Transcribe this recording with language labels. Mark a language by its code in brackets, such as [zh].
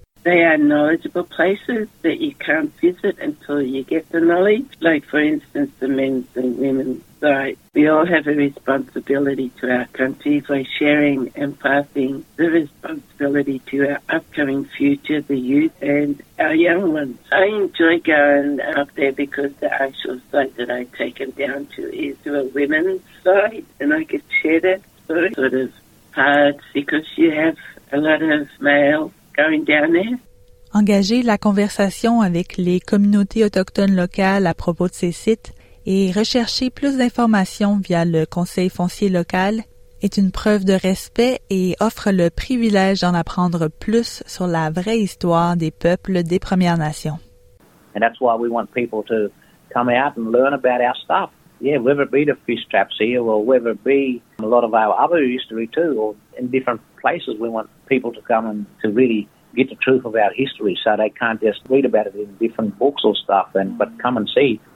[en] They are knowledgeable places that you can't visit until you get the knowledge. Like, for instance, the men's and women's rights. We all have a responsibility to our country by sharing and passing the responsibility to our upcoming future, the youth and our young ones. I enjoy going up there because the actual site that I take them down to is to a women's site, and I can share that story. Sort of hard because you have a lot of male. [fr] Engager la conversation avec les communautés autochtones locales à propos de ces sites et rechercher plus d'informations via le conseil foncier local est une preuve de respect et offre le privilège d'en apprendre plus sur la vraie histoire des peuples des Premières Nations. [en] And that's why we want people to come out and learn about our stuff. Yeah, whether it be the fish traps here or whether it be a lot of our other history too or in different places, we want people to come and to really get the truth of our history, so they can't just read about it in different books or stuff, but come and see.